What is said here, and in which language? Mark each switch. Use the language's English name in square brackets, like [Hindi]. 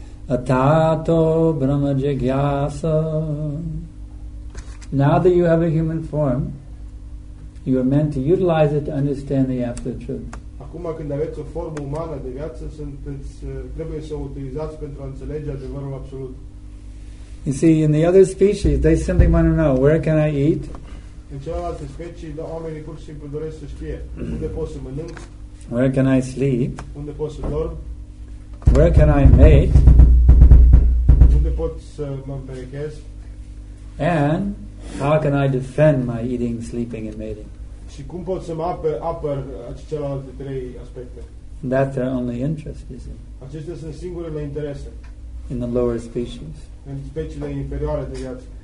[Sanskrit] Atato brahma jigyasa. [English] Now that you have a human form, you are meant to utilize it to understand the absolute truth. [Romanian] Acum când aveți o formă umană de viață, trebuie să o utilizați pentru a înțelege adevărul absolut. [English] You see, in the other species, they simply want to know, where can I eat? [Romanian] În celelalte specii, oamenii pur și simplu doresc să știe unde pot să mănânc. [English] Where can I sleep? [Romanian] Unde pot să dorm? [English] Where can I mate? [Romanian] Unde pot să mă împerechez? [English] And how can I defend my eating, sleeping, and mating? [Romanian] Și cum pot să mă apăr aceste celelalte trei aspecte? [English] That's their only interest, is it? [Romanian] Acestea sunt singurele interese. [English] In the lower species. [Romanian] În speciile inferioare de viață.